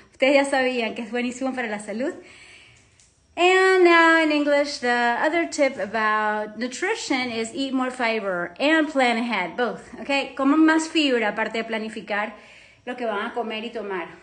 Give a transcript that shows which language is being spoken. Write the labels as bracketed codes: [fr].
[es] Ustedes ya sabían que es buenísimo para la salud. [en] And now in English, the other tip about nutrition is eat more fiber and plan ahead, both, okay? [es] Coman más fibra, aparte de planificar lo que van a comer y tomar.